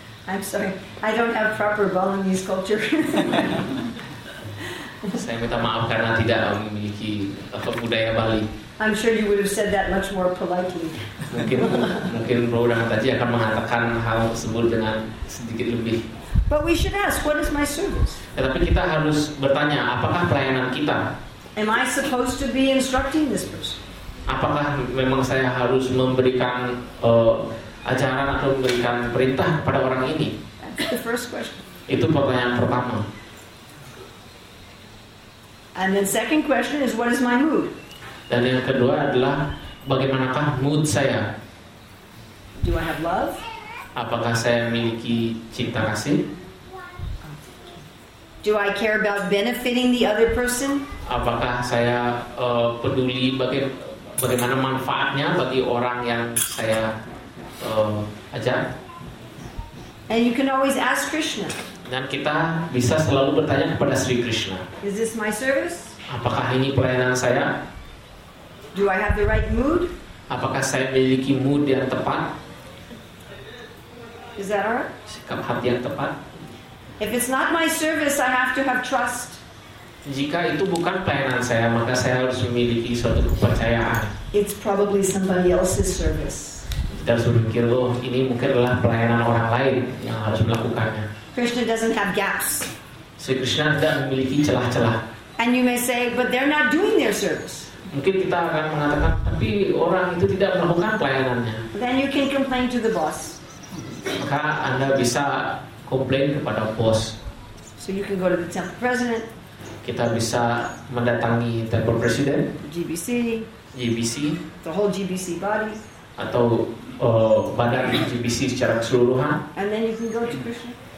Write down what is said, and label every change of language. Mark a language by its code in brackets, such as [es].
[en] I'm sorry, I don't have proper Balinese culture. [id] Saya minta maaf karena tidak memiliki budaya Bali. [en] I'm sure you would have said that much more politely. [id] Mungkin program tadi akan mengatakan hal tersebut dengan sedikit lebih. [en] But we should ask, what is my service? [id] Tetapi kita harus bertanya, apakah pelayanan kita? [en] Am I supposed to be instructing this person? [id] Apakah memang saya harus memberikan ajaran atau memberikan perintah pada orang ini? [en] That's the first question. [id] Itu pertanyaan pertama. [en] And then second question is, what is my mood? [id] Dan yang kedua adalah, bagaimanakah mood saya? [en] Do I have love? [id] Apakah saya memiliki cinta kasih? [en] Do I care about benefiting the other person? [id] Apakah saya peduli bagaimana manfaatnya bagi orang yang saya ajar? [en] And you can always ask Krishna. [id] Dan kita bisa selalu bertanya kepada Sri Krishna. [en] Is this my service? [id] Apakah ini pelayanan saya? [en] Do I have the right mood? [id] Apakah saya memiliki mood yang tepat? [en] Is that right? [id] Sikap hati yang tepat. [en] If it's not my service, I have to have trust. [id] Jika itu bukan pelayanan saya, maka saya harus memiliki suatu kepercayaan. [en] It's probably somebody else's service. [id] Kita harus berpikir, oh, ini mungkin adalah pelayanan orang lain yang harus melakukannya. [en] Krishna doesn't have gaps. [id] Sri Krishna tidak memiliki celah-celah. [en] And you may say, but they're not doing their service. [id] Mungkin kita akan mengatakan, tapi orang itu tidak melakukan pelayanannya. [en] Then you can complain to the boss. [id] Maka Anda bisa komplain kepada bos. [en] So you can go to the temple president. [id] Ok, kita bisa mendatangi Temple President, [en] GBC, [id] GBC, [en] the whole GBC body, [id] atau badan GBC secara keseluruhan. [en] And then you can go to Krishna.